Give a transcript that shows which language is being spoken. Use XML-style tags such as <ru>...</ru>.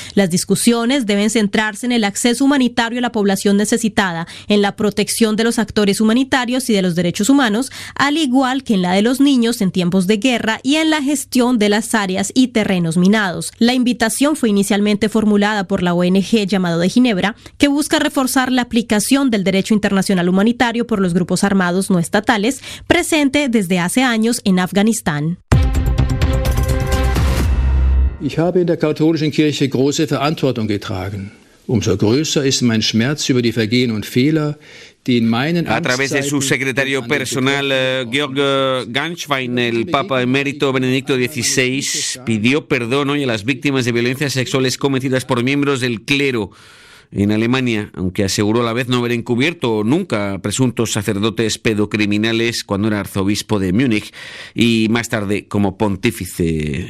<es>Las discusiones deben centrarse en el acceso humanitario a la población necesitada, en la protección de los actores humanitarios y de los derechos humanos, al igual que en la de los niños en tiempos de guerra y en la gestión de las áreas y terrenos minados. La invitación fue inicialmente formulada por la ONG llamada de Ginebra, que busca reforzar la aplicación del derecho internacional humanitario por los grupos armados no estatales, presente desde hace años en Afganistán.</es> <de>Ich habe in der katholischen Kirche große Verantwortung getragen. Umso größer ist mein Schmerz über die Vergehen und Fehler.</de> <es>A través de su secretario personal, Georg Ganschwein, el Papa Emérito Benedicto XVI pidió perdón hoy a las víctimas de violencias sexuales cometidas por miembros del clero en Alemania, aunque aseguró a la vez no haber encubierto nunca a presuntos sacerdotes pedocriminales cuando era arzobispo de Múnich y más tarde como pontífice.</es>